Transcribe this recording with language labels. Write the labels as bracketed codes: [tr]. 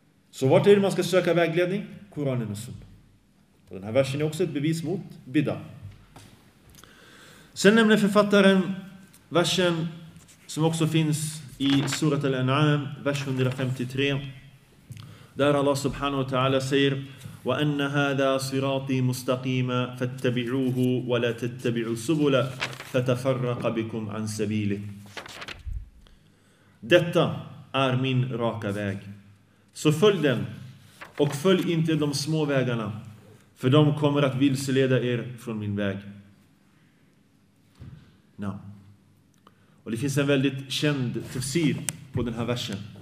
[sv] Så vart är det man ska söka vägledning? Koranen och sunna. Och den här versen är också ett bevis mot bidda. Sen nämner författaren versen som också finns i surat al-An'am, vers 153. Där Allah subhanahu wa ta'ala säger: [ar] وَأَنَّ هَذَا صِرَاطِي مُسْتَقِيمًا فَاتَّبِعُوهُ وَلَا تَتَّبِعُوا السُّبُلَ فَتَفَرَّقَ بِكُمْ عَنْ سَبِيلِهِ. [sv] Detta är min raka väg, så följ den och följ inte de små vägarna, för de kommer att vilseleda er från min väg. Nah. Och det finns en väldigt känd tafsir på den här versen.